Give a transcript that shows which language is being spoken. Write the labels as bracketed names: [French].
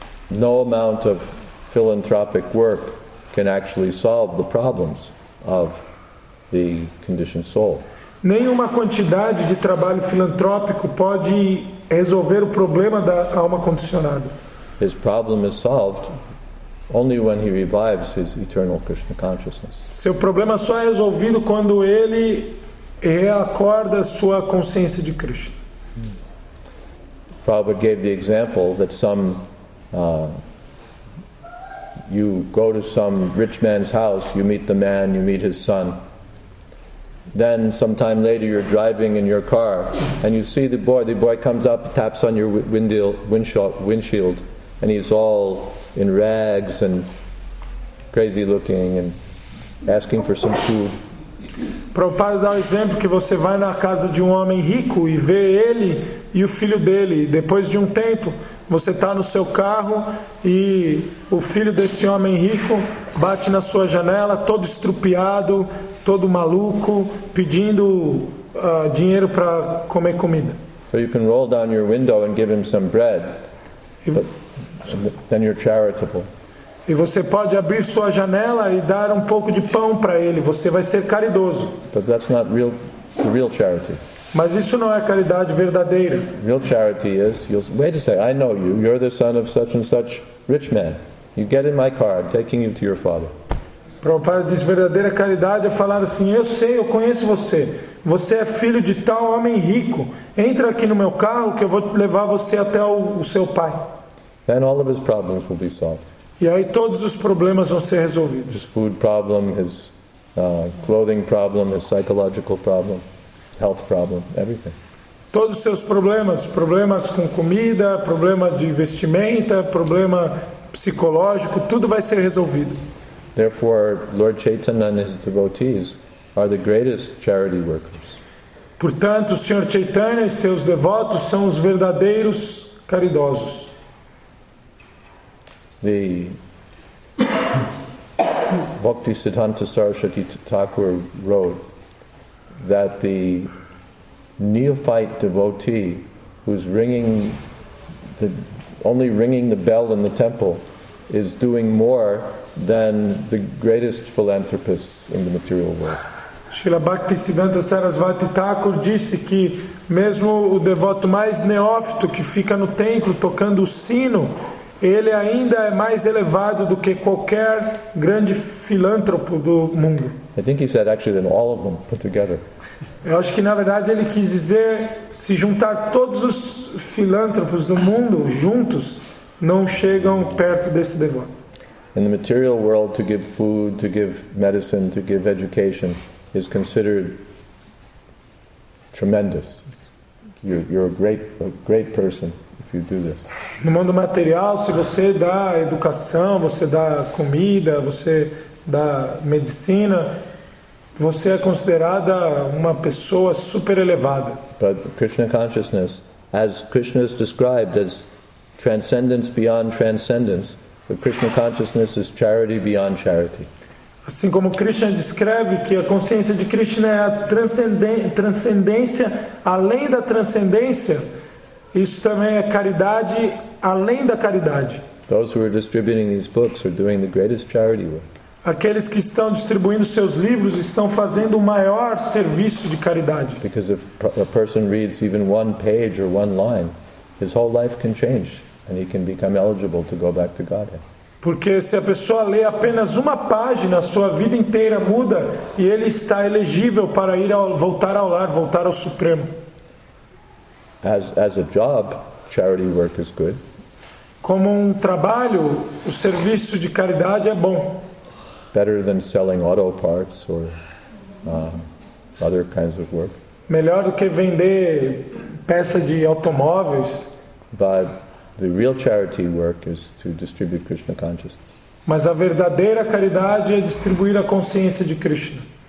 [English] No amount of philanthropic work can actually solve the problems of the conditioned soul. [Portuguese] Nenhuma quantidade de trabalho filantrópico pode resolver o problema da alma condicionada. [English] His problem is solved only when he revives his eternal Krishna consciousness. [Portuguese] Seu problema só é resolvido quando ele reacorda sua consciência de Krishna. [English] Prabhupada gave the example that you go to some rich man's house, you meet the man, you meet his son. Then sometime later you're driving in your car and you see the boy comes up, taps on your windshield. And he's all in rags and crazy looking and asking for some food. [Portuguese] Prabhupada dá um exemplo que você vai na casa de um homem rico e vê ele e o filho dele. Depois de um tempo, você está no seu carro e o filho desse homem rico bate na sua janela, todo estrupiado, todo maluco, pedindo dinheiro para comer comida. [English] So you can roll down your window and give him some bread. Then you're charitable. [Portuguese] E você pode abrir sua janela e dar um pouco de pão para ele. Você vai ser caridoso. [English] But that's not real charity. [Portuguese] Mas isso não é caridade verdadeira. [English] Real charity is, wait a second, I know you. You're the son of such and such rich man. You get in my car, I'm taking you to your father. [Portuguese] Prabhupada diz, verdadeira caridade é falar assim, eu sei, eu conheço você. Você é filho de tal homem rico. Entra aqui no meu carro que eu vou levar você até o seu pai. [English] Then all of his problems will be solved. [Portuguese] E aí todos os problemas vão ser resolvidos. [English] His food problem, his clothing problem, his psychological problem, his health problem, everything. [Portuguese] Todos os seus problemas, problemas com comida, problema de vestimenta, problema psicológico, tudo vai ser resolvido. [English] Therefore, Lord Chaitanya and his devotees are the greatest charity workers. [Portuguese] Portanto, o Sr. Chaitanya e seus devotos são os verdadeiros caridosos. [English] The Bhakti Siddhanta Saraswati Thakur wrote that the neophyte devotee who's ringing the bell in the temple is doing more than the greatest philanthropists in the material world. [Portuguese] Srila Bhaktisiddhanta Sarasvati Thakur disse que mesmo o devoto mais neófito que fica no templo tocando o sino, ele ainda é mais elevado do que qualquer grande filântropo do mundo. [English] I think he said actually than all of them put together. [Portuguese] Eu acho que na verdade ele quis dizer se juntar todos os filântropos do mundo juntos não chegam perto desse devoto. [English] In the material world, to give food, to give medicine, to give education is considered tremendous. You're a great person if you do this. [Portuguese] No mundo material, se você dá educação, você dá comida, você dá medicina, você é considerada uma pessoa super elevada. [English] But Krishna consciousness, as Krishna is described as transcendence beyond transcendence, the Krishna consciousness is charity beyond charity. [Portuguese] Assim como Krishna descreve que a consciência de Krishna é a transcendência além da transcendência, isso também é caridade além da caridade. [English] Those who are distributing these books are doing the greatest charity work. [Portuguese] Aqueles que estão distribuindo seus livros estão fazendo o maior serviço de caridade. [English] Because if a person reads even one page or one line, his whole life can change and he can become eligible to go back to Godhead. [Portuguese] Porque se a pessoa lê apenas uma página, a sua vida inteira muda e ele está elegível para ir ao, voltar ao lar, voltar ao Supremo. [English] As a job, charity work is good. [Portuguese] Como um trabalho, o serviço de caridade é bom. [English] Better than selling auto parts or other kinds of work. [Portuguese] Melhor do que vender peça de automóveis. [English] But the real charity work is to distribute Krishna consciousness. [Portuguese] Mas a verdadeira caridade é distribuir a consciência de Krishna.